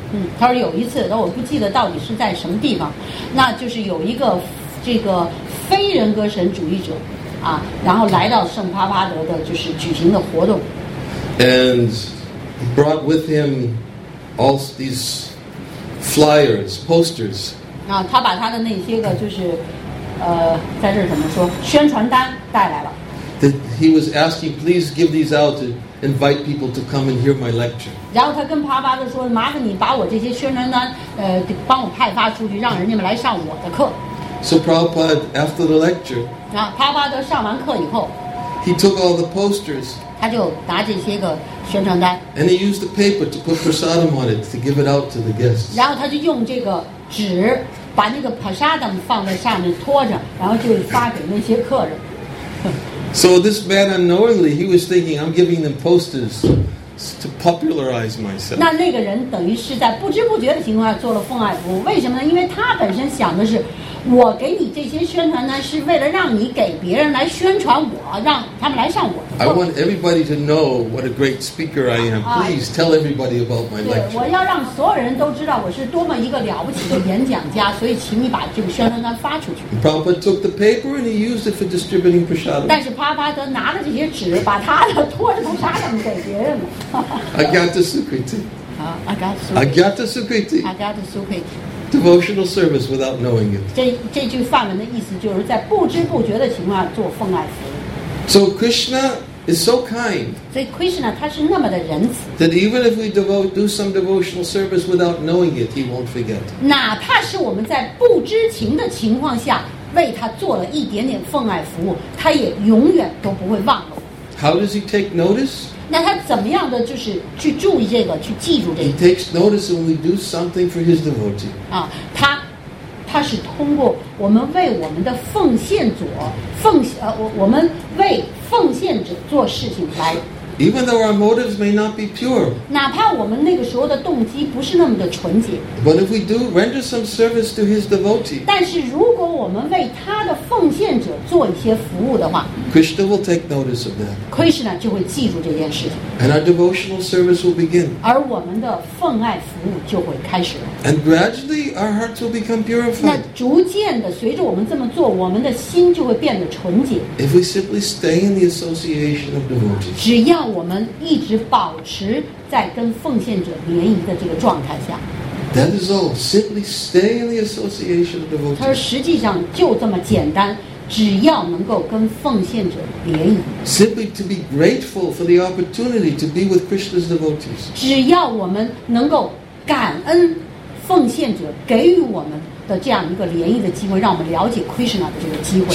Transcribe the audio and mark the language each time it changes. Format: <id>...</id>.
<zh>嗯，他说有一次，但我不记得到底是在什么地方，那就是有一个这个。非人格神主义者，啊，然后来到圣帕巴德的，就是举行的活动。</zh> <en>And brought with him all these flyers, posters.</en> <zh>啊，他把他的那些个就是，在这怎么说，宣传单带来了。</zh> <en>That he was asking, please give these out to invite people to come and hear my lecture.</en> <zh>然后他跟帕巴德说，麻烦你把我这些宣传单，帮我派发出去，让人家们来上我的课。</zh> <en>So Prabhupada, after the lecture,</en> <zh>然后帕巴德上完课以后</zh> <en>he took all the posters.</en> <zh>他就拿这些个宣传单</zh> <en>and he used the paper to put prasadam on it to give it out to the guests.</en> <zh>然后他就用这个纸把那个 prasadam 放在上面托着，然后就发给那些客人。</zh> <en>So this man unknowingly, he was thinking, I'm giving them posters to popularize myself.</en> <zh>那个人等于是在不知不觉的情况下做了奉爱服务，为什么呢？因为他本身想的是。我给你这些宣传呢，是为了让你给别人来宣传我，让他们来上我的课。</zh> <en>I want everybody to know what a great speaker I am. Please tell everybody about my lecture.</en> <zh>我要让所有人都知道我是多么一个了不起的演讲家，所以请你把这个宣传单发出去。</zh> <en>Prabhupada took the paper and he used it for distributing prasadam.</en> <zh>但是帕巴德拿着这些纸，把他的托着的prasadam给别人了。</zh> <sa>Agyata Sukriti. Agyata Sukriti. Agyata Sukriti.</sa> <en>Devotional service without knowing it.</en> <zh>这句梵文的意思就是在不知不觉的情况下做奉爱服务。</zh> <en>So Krishna is so kind.</en> <zh>所以 Krishna 他是那么的仁慈。</zh> <en>That even if we do some devotional service without knowing it, he won't forget.</en> <zh>哪怕是我们在不知情的情况下为他做了一点点奉爱服务，他也永远都不会忘了。</zh> <en>How does he take notice?</en> <zh>那他怎么样的就是去注意这个，去记住这个？</zh> <en>He takes notice when we do something for his devotee.</en> <zh>啊，他是通过我们为我们的奉献者我们为奉献者做事情来。</zh> <en>Even though our motives may not be pure,</en> <zh>哪怕我们那个时候的动机不是那么的纯洁，</zh> <en>but if we do render some service to his devotee,</en> <zh>但是如果我们为他的奉献者做一些服务的话，</zh> <en>Krishna will take notice of that.</en> <zh>Krishna 就会记住这件事情，</zh> <en>and our devotional service will begin.</en> <zh>而我们的奉爱服务就会开始了，</zh> <en>and gradually our hearts will become purified.</en> <zh>那逐渐的随着我们这么做，我们的心就会变得纯洁。</zh> <en>If we simply stay in the association of devotees,</en> <zh>只要让我们一直保持在跟奉献者联谊的这个状态下。</zh> <en>That is all. Simply stay in the association of devotees.</en> <zh>他说实际上就这么简单，只要能够跟奉献者联谊。</zh> <en>Simply to be grateful for the opportunity to be with Krishna's devotees.</en> <zh>只要我们能够感恩奉献者给予我们的这样一个联谊的机会，让我们了解 Krishna 的这个机会。</zh>